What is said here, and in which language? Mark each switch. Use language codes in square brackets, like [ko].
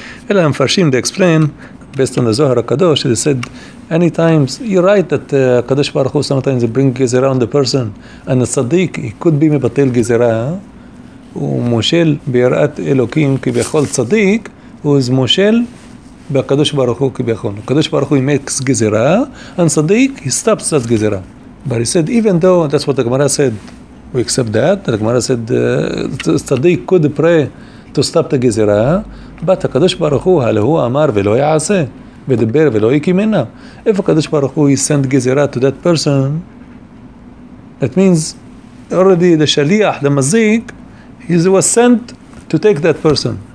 [en] Elam Farshim, they explain, based on the Zohar HaKadosh, they said, any times, you're right that Kadosh Baruch Hu sometimes bring Gezerah on the person, and the Tzaddik, he could be Mebatil Gezerah, [he] ומושל ביראת אלוקים כביכול צדיק, וזה מושל בקדוש ברוך הוא כביכול. [en] הקדוש ברוך הוא makes גזירה, and צדיק, he stops that גזירה. But he said, even though, that's what the Gemara said, we accept that, the Gemara said, צדיק could pray to stop the גזירה, but הקדוש ברוך הוא, [he] הלא הוא אמר ולא יעשה, ודבר ולא יקימנה. [en] If הקדוש ברוך הוא, he sent גזירה to that person, that means, already the שליח, the מזיק, he was sent to take that person.